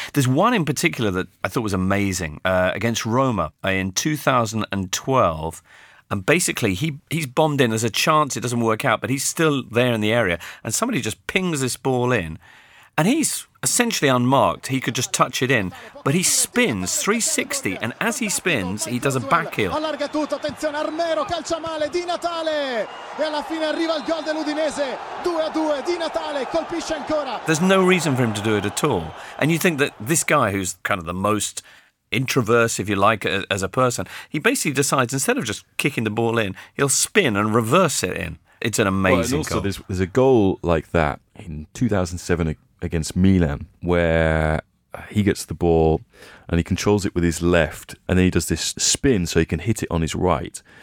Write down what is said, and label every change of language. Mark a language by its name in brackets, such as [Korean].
[English] There's one in particular that I thought was amazing against Roma in 2012. And basically, he's bombed in. There's a chance it doesn't work out, but he's still there in the area. And somebody just pings this ball in. And he's essentially unmarked. He could just touch it in. But he spins 360. And as he spins, he does a back heel. [Italian] Allarga tutto. Attenzione, Armero calcia male. Di Natale. E alla fine arriva il gol dell'Udinese. 2-2. Di Natale colpisce ancora. [English] There's no reason for him to do it at all. And you think that this guy, who's kind of the most introverse, if you like, as a person, he basically decides instead of just kicking the ball in, he'll spin and reverse it in. It's an amazing goal. And also, there's a goal like that in 2007 against Milan where he gets the ball and he controls it with his left and then he does this spin so he can hit it on his right.